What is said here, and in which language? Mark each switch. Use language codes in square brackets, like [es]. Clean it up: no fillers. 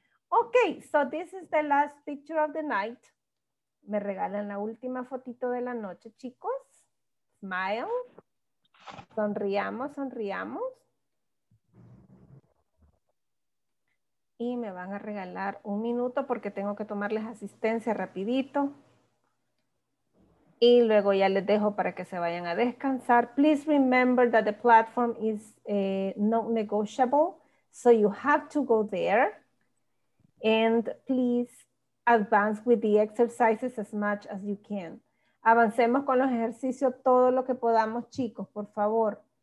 [en] Okay, so this is the last picture of the night. [es] Me regalan la última fotito de la noche, chicos. Smile. Sonriamos. Y me van a regalar un minuto porque tengo que tomarles asistencia rapidito. Y luego ya les dejo para que se vayan a descansar. [en] Please remember that the platform is not negotiable, so you have to go there. And please advance with the exercises as much as you can. [es] Avancemos con los ejercicios todo lo que podamos, chicos, por favor.